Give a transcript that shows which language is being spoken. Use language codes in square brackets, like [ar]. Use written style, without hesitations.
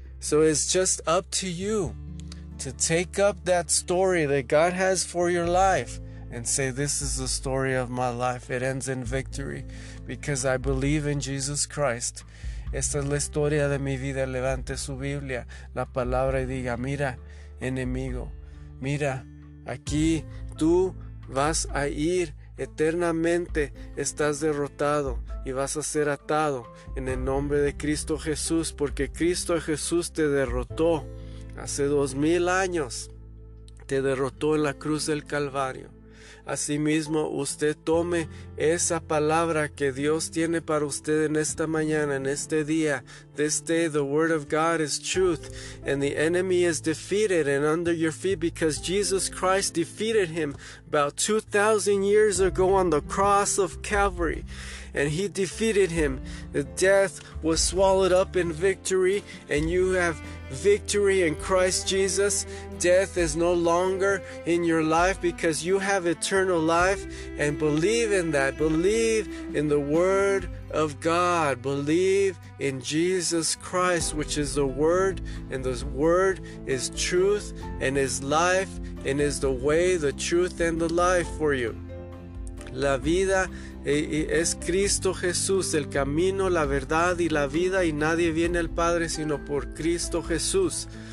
[en] So it's just up to you to take up that story that God has for your life and say, this is the story of my life. It ends in victory because I believe in Jesus Christ. [es] Esta es la historia de mi vida. Levante su Biblia, la palabra, y diga, mira, enemigo, mira, aquí tú vas a ir eternamente. Estás derrotado y vas a ser atado en el nombre de Cristo Jesús, porque Cristo Jesús te derrotó hace 2000 años. Te derrotó en la cruz del Calvario. Asimismo, usted tome esa palabra que Dios tiene para usted en esta mañana, en este día. [en] This day the word of God is truth, and the enemy is defeated and under your feet because Jesus Christ defeated him about 2,000 years ago on the cross of Calvary. And he defeated him. The death was swallowed up in victory, and you have victory in Christ Jesus. Death is no longer in your life because you have eternal life. And believe in that. Believe in the word of God. Believe in Jesus Christ, which is the word, and the word is truth and is life and is the way, the truth, and the life for you. [es] La vida es Cristo Jesús, el camino, la verdad y la vida, y nadie viene al Padre sino por Cristo Jesús.